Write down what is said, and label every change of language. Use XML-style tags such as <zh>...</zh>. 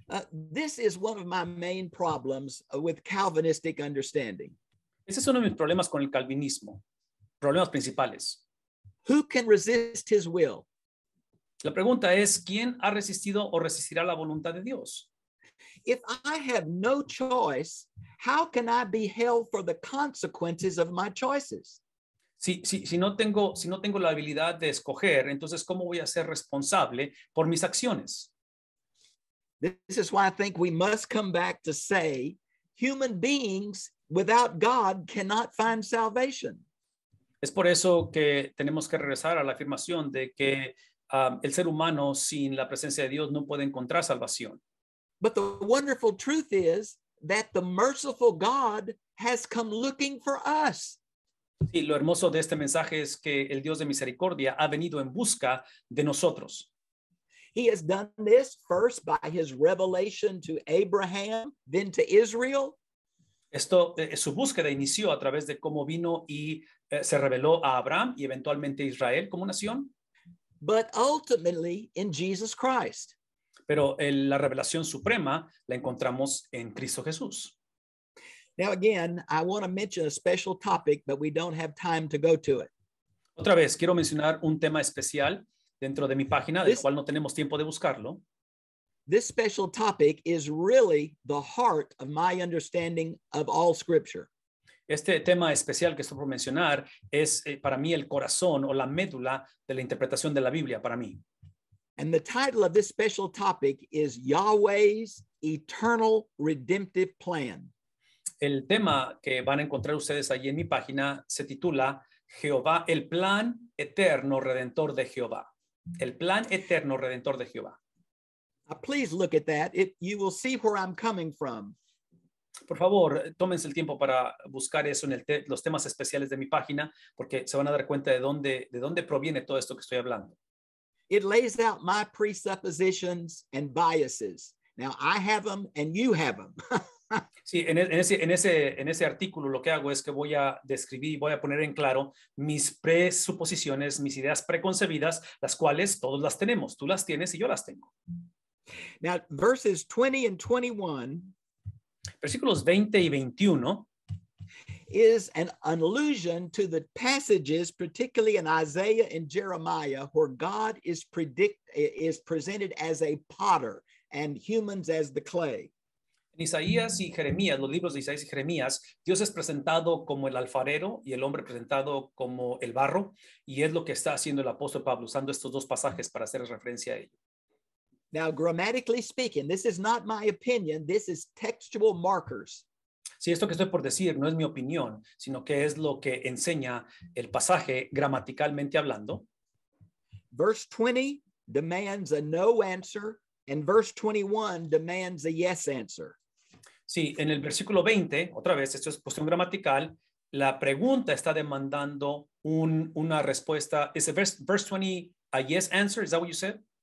<en>This is one of my main problems with Calvinistic understanding.</en> <es>Ese es uno de mis problemas con el calvinismo. Problemas principales.</es> <en>Who can resist his will?</en> <es>La pregunta es, ¿quién ha resistido o resistirá la voluntad de Dios?</es> <en>If I have no choice, how can I be held for the consequences of my choices?</en> <es>Si no tengo la habilidad de escoger, entonces ¿cómo voy a ser responsable por mis acciones?</es> <en>This is why I think we must come back to say human beings without God cannot find salvation.</en> <es>Es por eso que tenemos que regresar a la afirmación de que el ser humano sin la presencia de Dios no puede encontrar salvación.</es> <en>But the wonderful truth is that the merciful God has come looking for us.</en> <es>Sí, lo hermoso de este mensaje es que el Dios de misericordia ha venido en busca de nosotros.</es> <en>He has done this first by his revelation to Abraham, then to Israel.</en> <es>Esto, su búsqueda inició a través de cómo vino y se reveló a Abraham y eventualmente a Israel como nación.</es> <en>But ultimately in Jesus Christ.</en> <es>Pero la revelación suprema la encontramos en Cristo Jesús.</es> <en>Now again, I want to mention a special topic, but we don't have time to go to it.</en> <es>Otra vez, quiero mencionar un tema especial dentro de mi página, del cual no tenemos tiempo de buscarlo.</es> <en>This special topic is really the heart of my understanding of all Scripture.</en> <es>Este tema especial que estoy por mencionar es para mí el corazón o la médula de la interpretación de la Biblia para mí.</es> <en>And the title of this special topic is Yahweh's Eternal Redemptive Plan.</en> <es>El tema que van a encontrar ustedes allí en mi página se titula Jehová, el plan eterno redentor de Jehová. El plan eterno redentor de Jehová.</es> <en>Please look at that. You will see where I'm coming from.</en> <es>Por favor, tómense el tiempo para buscar eso en los temas especiales de mi página, porque se van a dar cuenta de dónde proviene todo esto que estoy hablando.</es> <en>It lays out my presuppositions and biases. Now, I have them and you have them.</en> <es>Sí, en ese artículo lo que hago es que voy a describir y voy a poner en claro mis presuposiciones, mis ideas preconcebidas, las cuales todos las tenemos. Tú las tienes y yo las tengo.</es> <en>Now, verses 20 and 21.</en> <es>Versículos 20 y 21.</es> <en>Is an allusion to the passages, particularly in Isaiah and Jeremiah, where God is presented as a potter and humans as the clay.</en> <es>En Isaías y Jeremías, los libros de Isaías y Jeremías, Dios es presentado como el alfarero y el hombre presentado como el barro, y es lo que está haciendo el apóstol Pablo, usando estos dos pasajes para hacer referencia a ello.</es> <en>Now, grammatically speaking, this is not my opinion, this is textual markers.</en> <es>Sí, esto que estoy por decir no es mi opinión, sino que es lo que enseña el pasaje gramaticalmente hablando.</es> <en>Verse 20 demands a no answer, and verse 21 demands a yes answer.</en> <es>Sí, en el versículo 20, otra vez, esto es cuestión gramatical, la pregunta está demandando una respuesta.</es> <en>Is verse 20 a yes answer? Is that what you said?</en>